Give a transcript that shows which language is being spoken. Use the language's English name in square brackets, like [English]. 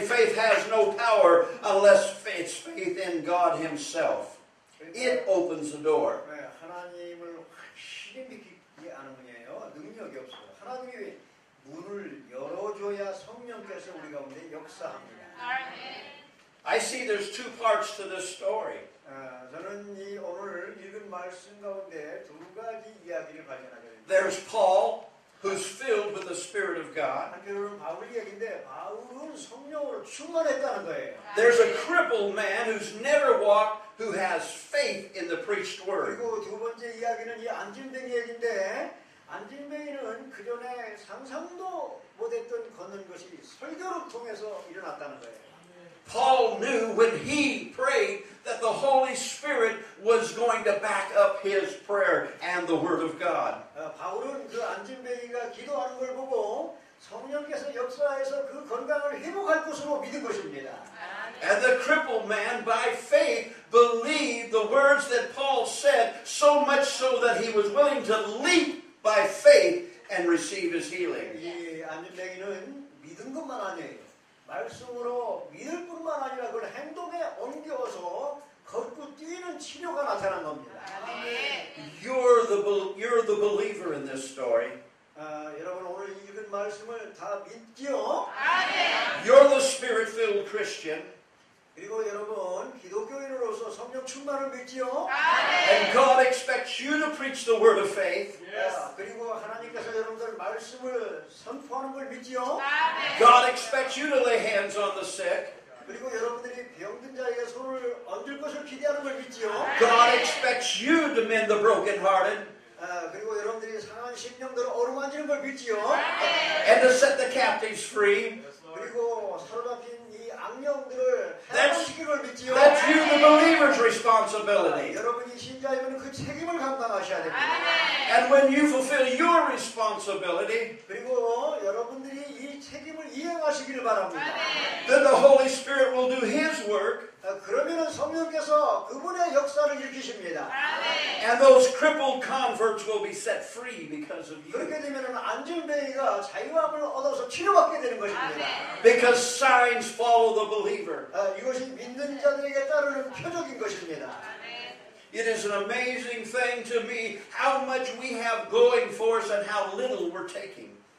[English] Faith has no power unless it's faith in God Himself. It opens the door. [Korean] 하나님을 확실히 믿기 아는 분이에요. 능력이 없어요. 하나님이 문을 열어줘야 성령께서 우리 가운데 역사합니다. [English] I see there's two parts to this story. [Korean] 저는 이 오늘 읽은 말씀 가운데 두 가지 이야기를 발견하게 됩니다. [English] There's Paul. Who's filled with the Spirit of God? [Korean] 그럼 바울 얘긴데 바울은 성령을 충만했다는 거예요. [English] There's a crippled man who's never walked, who has faith in the preached word. [Korean] 그리고 두 번째 이야기는 이 안진뱅이 얘긴데 안진뱅이는 그전에 상상도 못했던 걷는 것이 설교를 통해서 일어났다는 거예요. [English] Paul knew when he prayed that the Holy Spirit was going to back up his prayer and the Word of God. [Korean] 바울은 그 안진뱅이가 기도하는 걸 보고 성령께서 역사해서 그 건강을 회복할 것으로 믿은 것입니다. [English] And the crippled man by faith believed the words that Paul said so much so that he was willing to leap by faith and receive his healing. [Korean] 이 안진뱅이는 믿은 것만 아니에요. 말씀으로 믿을 뿐만 아니라 그걸 행동에 옮겨서 걷고 뛰는 치료가 나타난 겁니다. [English] You're the believer in this story. [Korean] 여러분 오늘 읽은 말씀을 다 믿지요? [English] You're the spirit-filled Christian. [Korean] 그리고 여러분 기독교인으로서 성령 충만을 믿지요? [English] And God expects you to preach the word of faith. [Korean] 그리고 하나님께서 여러분들 말씀을 선포하는 걸 믿지요? [English] God expects you to lay hands on the sick. [Korean] 그리고 여러분들이 병든 자에게 손을 얹을 것을 기대하는 걸 믿지요? [English] God expects you to mend the brokenhearted. [Korean] 그리고 여러분들이 상한 심령들을 어루만지는 걸 믿지요? [English] And to set the captives free. [Korean] 그리고 사로잡힌 이 악령들을 해방시키는 걸 믿지요? [English] That's you, the believer's responsibility. [Korean] 여러분이 신자이면 그 책임을 감당하셔야 됩니다. [English] And when you fulfill your responsibility, [Korean] 그리고 여러분들이 이 책임을 이행하시기를 바랍니다. [English] Then the Holy Spirit will do His work. [Korean] 그러면은 성령께서 그분의 역사를 일으키십니다. [English] And those crippled converts will be set free because of you. [Korean] 그렇게 되면은 안진뱅이가 자유함을 얻어서 치료받게 되는 것입니다. [English] Because signs follow the believer. [Korean] 이것이 믿는 자들에게 따르는 표적인 것입니다. [English] It is an amazing thing to me how much we have going for us and how little we're taking.